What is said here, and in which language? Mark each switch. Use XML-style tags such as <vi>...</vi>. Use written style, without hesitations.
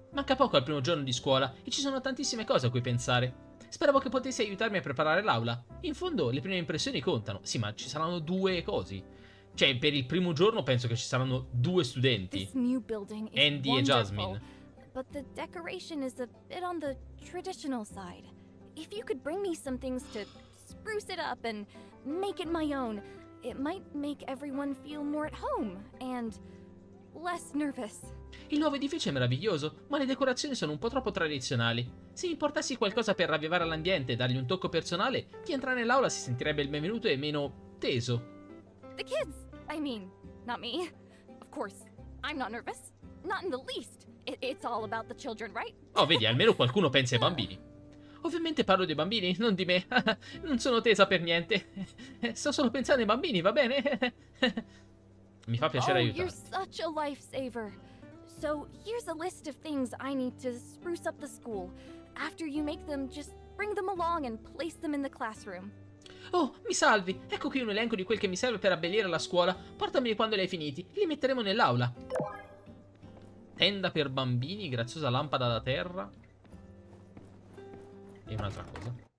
<it>Manca poco al primo giorno di scuola e ci sono tantissime cose a cui pensare. Speravo che potessi aiutarmi a preparare l'aula. In fondo, le prime impressioni contano. Sì, ma ci saranno due cose. Cioè, per il primo giorno penso che ci saranno due studenti, Andy e Jasmine.</it> <en>But the decoration is a bit on the traditional side. If you could bring me some things to spruce it up and make it my own, it might make everyone feel more at home and less nervous.</en> <it>Il nuovo edificio è meraviglioso, ma le decorazioni sono un po' troppo tradizionali. Se mi portassi qualcosa per ravvivare l'ambiente e dargli un tocco personale, chi entra nell'aula si sentirebbe il benvenuto e meno teso.</it> <en>The kids, I mean, not me. Of course, I'm not nervous, not in the least. It's all about the children, right?</en> <it>Oh, vedi, almeno qualcuno pensa ai bambini. Ovviamente parlo dei bambini, non di me. Non sono tesa per niente. Sto solo pensando ai bambini, va bene? Mi fa piacere aiutarti.</it> <en>Oh, you're such a lifesaver. So, here's a list of things I need to spruce up the school. After you make them, just bring them along and place them in the classroom.</en> <it>Oh, mi salvi. Ecco qui un elenco di quel che mi serve per abbellire la scuola. Portameli quando li hai finiti. Li metteremo nell'aula. Tenda per bambini, graziosa lampada da terra. E un'altra cosa.</it>